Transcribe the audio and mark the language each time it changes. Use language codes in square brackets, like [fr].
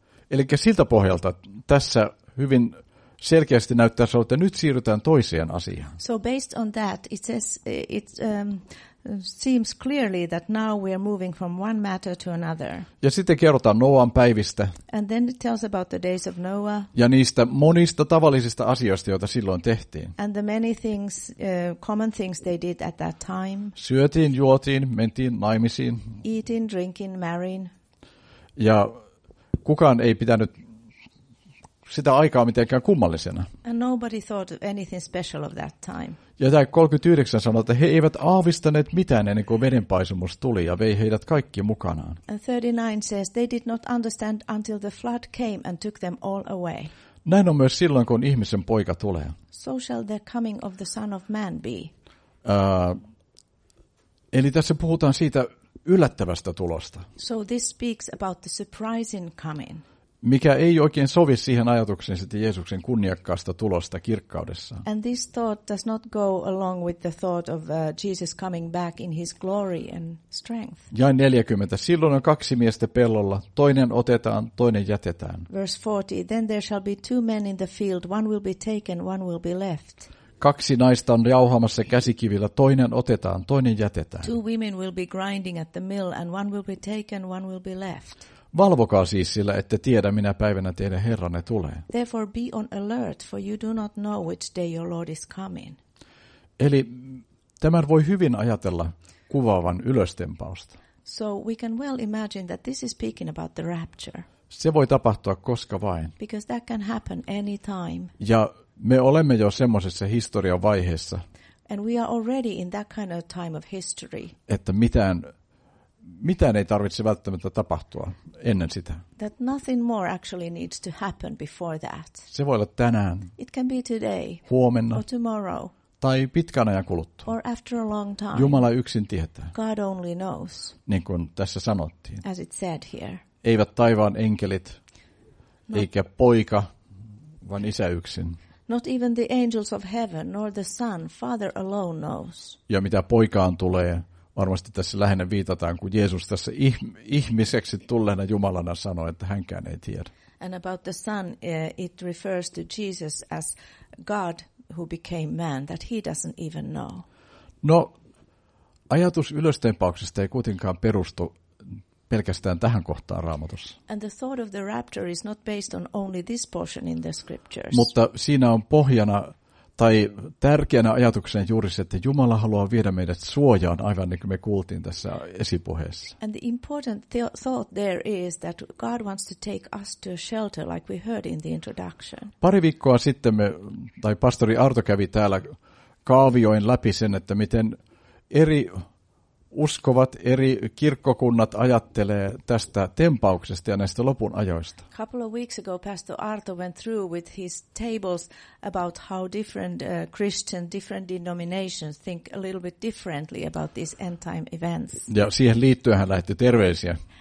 [fi] Eli siltä pohjalta tässä hyvin selkeästi näyttää se, että nyt siirrytään toiseen asiaan. [en] So based on that, it says it seems clearly that now we are moving from one matter to another. [fi] Ja sitten kerrotaan Noan päivistä. [en] And then it tells about the days of Noah. [fi] Ja niistä monista tavallisista asioista, joita silloin tehtiin. [en] And the many things, common things they did at that time. [fi] Syötiin, juotiin, mentiin naimisiin. [en] Eating, drinking, marrying. [fi] Ja kukaan ei pitänyt sitä aikaa mitenkään kummallisena. [en] And nobody thought of anything special of that time. [fi] Ja tämä 39 sanoo, että he eivät aavistaneet mitään ennen kuin vedenpaisumus tuli ja vei heidät kaikki mukanaan. [en] And 39 says they did not understand until the flood came and took them all away. [fi] Näin on myös silloin, kun ihmisen poika tulee. [en] So shall the coming of the son of man be. [fi] Eli tässä puhutaan siitä yllättävästä tulosta. [en] So this speaks about the surprising coming. [fi] Mikä ei oikein sovi siihen ajatukseen sitten Jeesuksen kunniakkaasta tulosta kirkkaudessa. [en] And this thought does not go along with the thought of Jesus coming back in his glory and strength. [fi] Jae 40. Silloin on kaksi miestä pellolla, toinen otetaan, toinen jätetään. [en] Verse 40. Then there shall be two men in the field, one will be taken, one will be left. [fi] Kaksi naista on jauhamassa käsikivillä, toinen otetaan, toinen jätetään. [en] Two women will be grinding at the mill and one will be taken, one will be left. [fi] Valvokaa siis sillä, että tiedä, minä päivänä teidän Herranne tulee. [en] Therefore be on alert, for you do not know which day your Lord is coming. [fi] Eli tämän voi hyvin ajatella kuvaavan ylöstempausta. [en] So we can well imagine that this is speaking about the rapture. [fi] Se voi tapahtua koska vain. [en] Because that can happen any time. [fi] Ja me olemme jo semmoisessa historian vaiheessa. [en] And we are already in that kind of time of history. [fi] Että mitään ei tarvitse välttämättä tapahtua ennen sitä. [en] That nothing more actually needs to happen before that. [fi] Se voi olla tänään. [en] It can be today. [fi] Huomenna. [en] Or tomorrow. [fi] Tai pitkän ajan kuluttua. [en] Or after a long time. [fi] Jumala yksin tietää. [en] God only knows. [fi] Niin kuin tässä sanottiin. [en] As it said here. [fi] Eivät taivaan enkelit, eikä poika, vaan isä yksin. [en] Not even the angels of heaven, nor the son, father alone knows. [fi] Ja mitä poikaan tulee, varmasti tässä lähinnä viitataan, kun Jeesus tässä ihmiseksi tulleena Jumalana sanoi, että hänkään ei tiedä. [en] And about the son, it refers to Jesus as God who became man, that he doesn't even know. [fi] No, ajatus ylöstempauksesta ei kuitenkaan perustu pelkästään tähän kohtaan Raamatussa. [en] And the thought of the rapture is not based on only this portion in the scriptures. [fi] Mutta siinä on pohjana tai tärkeänä ajatuksena juuri se, että Jumala haluaa viedä meidät suojaan, aivan niin kuin me kuultiin tässä esipuheessa. [en] And the important thought there is that God wants to take us to a shelter, like we heard in the introduction. [fi] Pari viikkoa sitten me, tai pastori Arto kävi täällä kaavioin läpi sen, että miten eri uskovat, eri kirkkokunnat ajattelee tästä tempauksesta ja näistä lopun ajoista. [en] A couple of weeks ago Pastor Arto went through with his tables about how different Christian, different denominations think a little bit differently about these end time events. [fi] Ja siihen liittyen hän lähetti terveisiä.